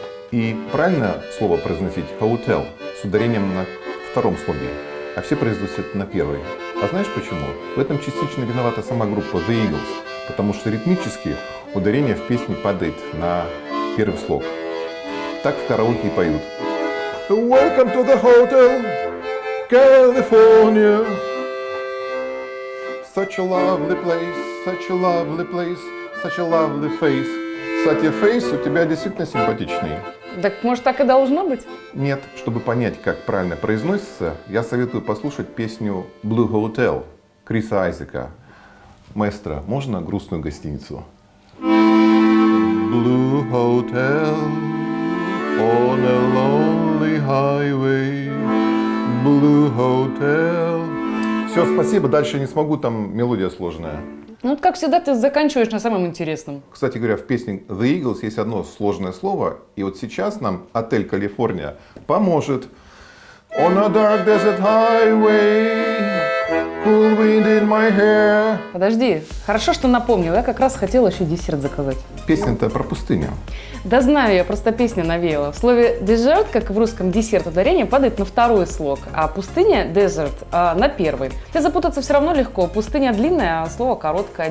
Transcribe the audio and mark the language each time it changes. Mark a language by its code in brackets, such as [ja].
[ru] И правильно слово произносить «hotel» с ударением на втором слоге, а все произносят на первый. А знаешь почему? В этом частично виновата сама группа The Eagles, потому что ритмически ударение в песне падает на первый слог. Так в караоке и поют. [en] Welcome to the hotel, California. Such a lovely place, such a lovely place, such a lovely face. [ru] Кстати, фейс у тебя действительно симпатичный. Так может так и должно быть? Нет, чтобы понять, как правильно произносится, я советую послушать песню Blue Hotel Криса Айзека. Маэстро, можно грустную гостиницу? [en] Blue Hotel on a lonely highway. Blue Hotel. [ru] Все, спасибо, дальше не смоггу, там мелодия сложная. Ну, как всегда, ты заканчиваешь на самом интересном. Кстати говоря, в песне The Eagles есть одно сложное слово, и вот сейчас нам отель «Калифорния» поможет. [en] On a dark desert highway, cool wind in my hair. [ru] Подожди, хорошо, что напомнил, я как раз хотел еще десерт заказать. Песня-то про пустыню. Да знаю я, просто песня навеяла. В слове «desert», как в русском «десерт», ударение падает на второй слог, а пустыня «desert» на первый. Хотя запутаться все равно легко. Пустыня длинная, а слово короткое.